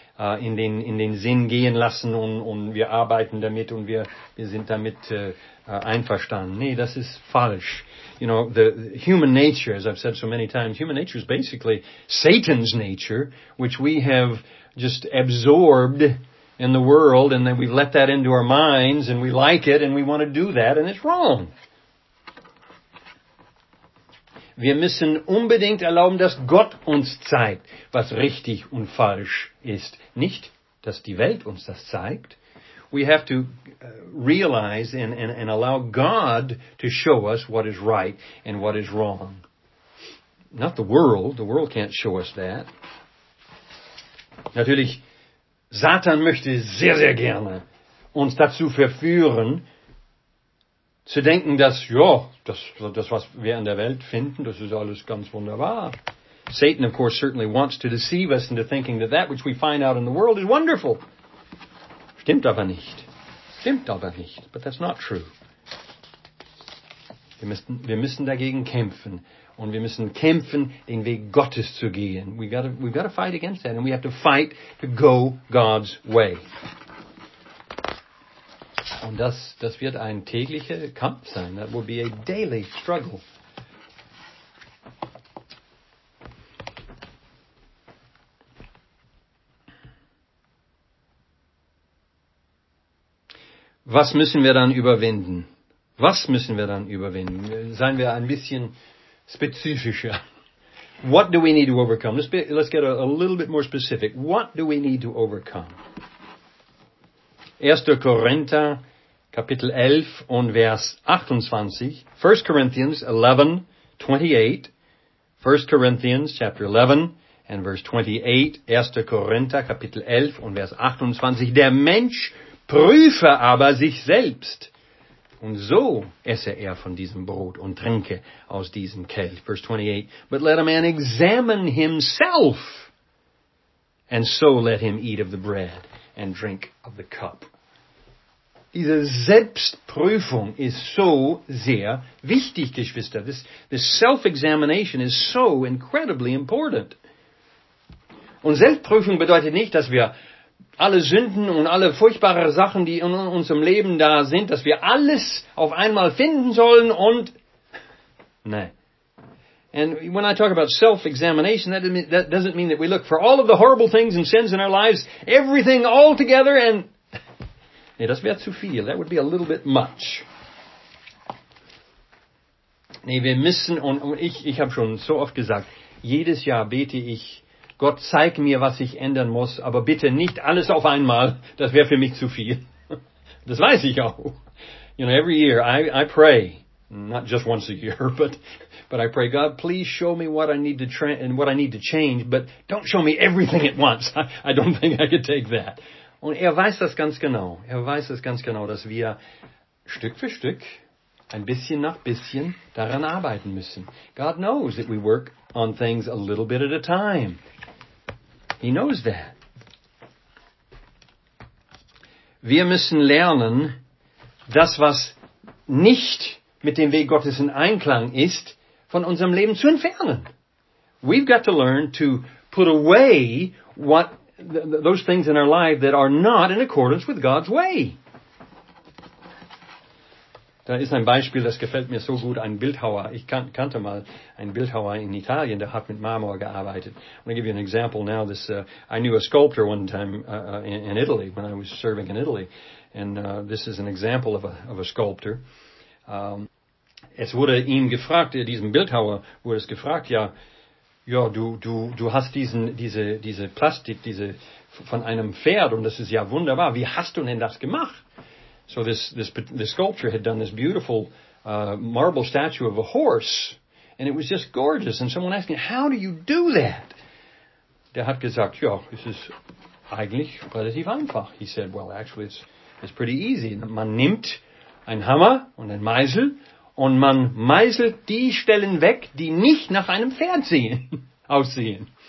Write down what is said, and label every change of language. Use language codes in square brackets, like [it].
[de] in den Sinn gehen lassen und wir arbeiten damit und wir sind damit einverstanden. Nee, das ist falsch. [en] You know, the human nature, as I've said so many times, human nature is basically Satan's nature, which we have just absorbed in the world, and then we've let that into our minds, and we like it, and we want to do that, and it's wrong. [de] Wir müssen unbedingt erlauben, dass Gott uns zeigt, was richtig und falsch ist. Nicht, dass die Welt uns das zeigt. [en] We have to realize and allow God to show us what is right and what is wrong. Not the world. The world can't show us that. [de] Natürlich, Satan möchte sehr, sehr gerne uns dazu verführen, zu denken, dass, ja, das, was wir in der Welt finden, das ist alles ganz wunderbar. [en] Satan, of course, certainly wants to deceive us into thinking that that which we find out in the world is wonderful. [de] Stimmt aber nicht. Stimmt aber nicht. [en] But that's not true. [de] Wir müssen dagegen kämpfen. Und wir müssen kämpfen, den Weg Gottes zu gehen. [en] We've got to fight against that. And we have to fight to go God's way. [de] Und das wird ein täglicher Kampf sein. [en] That will be a daily struggle. [de] Was müssen wir dann überwinden? Was müssen wir dann überwinden? Seien wir ein bisschen spezifischer. [en] What do we need to overcome? Let's get a little bit more specific. What do we need to overcome? 1. [de] Korinther, Kapitel 11 und Vers 28. 1. [en] Corinthians 11, 28. 1. Corinthians, chapter 11 and verse 28. 1. [de] Korinther, Kapitel 11 und Vers 28. Der Mensch prüfe aber sich selbst. Und so esse er von diesem Brot und trinke aus diesem Kelch. [en] Verse 28. But let a man examine himself, and so let him eat of the bread and drink of the cup. [de] Diese Selbstprüfung ist so sehr wichtig, Geschwister. [en] This self-examination is so incredibly important. [de] Und Selbstprüfung bedeutet nicht, dass wir alle Sünden und alle furchtbaren Sachen, die in unserem Leben da sind, dass wir alles auf einmal finden sollen und... Nein. [en] And when I talk about self-examination, that doesn't mean that we look for all of the horrible things and sins in our lives, everything all together and... [de] Nee, das wäre zu viel. [en] That would be a little bit much. [de] Nee, wir müssen... Und ich habe schon so oft gesagt, jedes Jahr bete ich... Gott, zeig mir, was ich ändern muss, aber bitte nicht alles auf einmal. Das wäre für mich zu viel. Das weiß ich auch. [en] You know, every year I pray, not just once a year, but I pray, God, please show me what I need to what I need to change, but don't show me everything at once. I don't think I could take that. [de] Und er weiß das ganz genau. Er weiß das ganz genau, dass wir Stück für Stück, ein bisschen nach bisschen, daran arbeiten müssen. [en] God knows that we work on things a little bit at a time. He knows that. [de] Wir müssen lernen, das, was nicht mit dem Weg Gottes in Einklang ist, von unserem Leben zu entfernen. [en] We've got to learn to put away those things in our life that are not in accordance with God's way. [de] Da ist ein Beispiel, das gefällt mir so gut, ein Bildhauer. Ich kannte mal einen Bildhauer in Italien, der hat mit Marmor gearbeitet. [en] I'm going to give you an example now. I knew a sculptor one time in Italy, when I was serving in Italy. And this is an example of a sculptor. [de] Es wurde ihm gefragt, diesem Bildhauer wurde es gefragt, ja, du hast diese Plastik, diese von einem Pferd, und das ist ja wunderbar. Wie hast du denn das gemacht? [en] So this sculptor had done this beautiful marble statue of a horse, and it was just gorgeous. And someone asked him, "How do you do that?" [de] Der hat gesagt, "Ja, es ist eigentlich relativ einfach." [en] He said, "Well, actually, it's pretty easy. [de] Man nimmt einen Hammer und einen Meißel, und man meißelt die Stellen weg, die nicht nach einem Pferd aussehen."